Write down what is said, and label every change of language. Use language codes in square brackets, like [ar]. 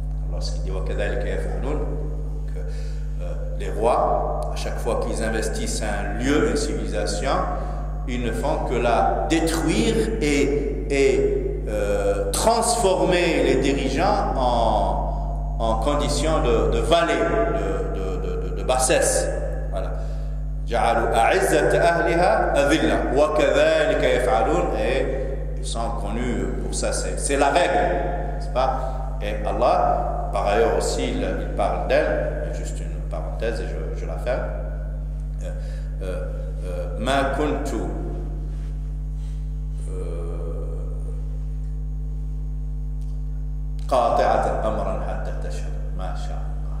[fr] Lorsqu'il dit [ar] Wakadalik Efanoun, [fr] que les rois, à chaque fois qu'ils investissent un lieu, une civilisation, ils ne font que la détruire et transformer les dirigeants en condition de valets, de bassesse. [ar] جعلوا أعزة أهلها أذلة وكذلك يفعلون. [fr] Et ils sont connus pour ça, c'est la règle, n'est-ce pas? Et Allah, par ailleurs aussi, il parle d'elle, juste une parenthèse et je la ferme. [ar] ما كنت قاطعة أمرا حتى تشهد ما شاء الله.